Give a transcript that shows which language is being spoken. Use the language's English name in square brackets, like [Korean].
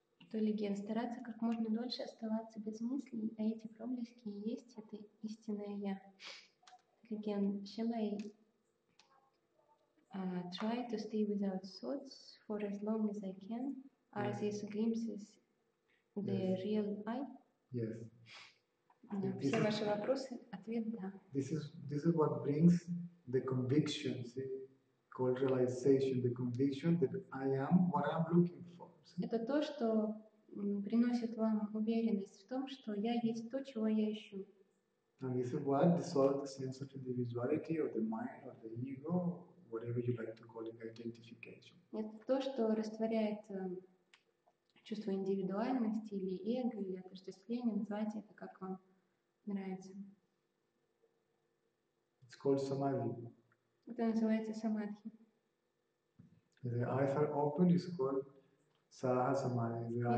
[Russian] То ли ген стараться как можно дольше оставаться без мыслей, а эти проблески и есть это истинное я. [English] Ген, shall I try to stay without thoughts for as long as I can? Are these glimpses the real I? Yes. [Russian] Все ваши вопросы, ответ да. [English] This is what brings the conviction, see, called realization, the conviction that I am what I'm looking for. [Russian] Это то, что приносит вам уверенность в том, что я есть то, чего я ищу. [English] And this is what dissolves the sense of individuality or the mind or the ego, whatever you like to call it, identification. [Russian] Это то, что растворяет чувство индивидуальности или эго, или отождествление, называйте это как вам нравится. [English] It's called samadhi. [Russian] Это называется самадхи. [English] The eyes are open is called Sahasamadhi.